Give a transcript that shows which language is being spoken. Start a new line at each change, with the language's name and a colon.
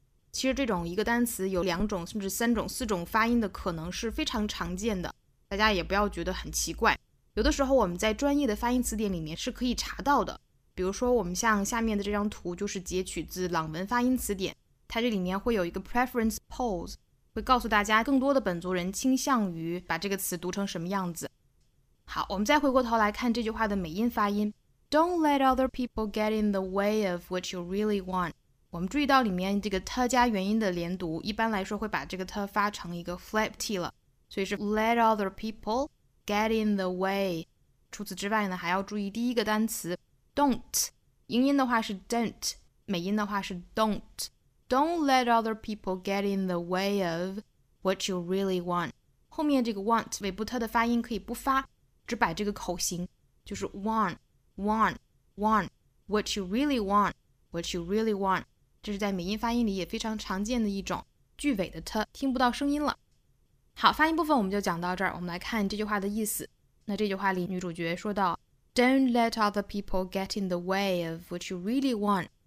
Chinese: 其实这种一个单词有两种甚至三种四种发音的可能是非常常见的，大家也不要觉得很奇怪，有的时候我们在专业的发音词典里面是可以查到的。比如说我们像下面的这张图就是截取自朗文发音词典，它这里面会有一个 preference polls， 会告诉大家更多的本族人倾向于把这个词读成什么样子。好，我们再回过头来看这句话的美音发音。
English: Don't let other people get in the way of what you really want。
Chinese: 我们注意到里面这个 t 加元音的连读，一般来说会把这个 t 发成一个 flap t 了，所以是
English: let other people get in the way。
Chinese: 除此之外呢，还要注意第一个单词 don't， 英音的话是 don't， 美音的话是 don't。
English: Don't let other people get in the way of what you really want。
Chinese: 后面这个 want 尾部特的发音可以不发，只摆这个口型，就是
English: want what you really want，
Chinese: what you really want。这是在美音发音里也非常常见的一种句尾的 t 听不到声音了。好，发音部分我们就讲到这儿，我们来看这句话的意思。那这句话里女主角说到
English: Don't let other people get in the way of what you really want。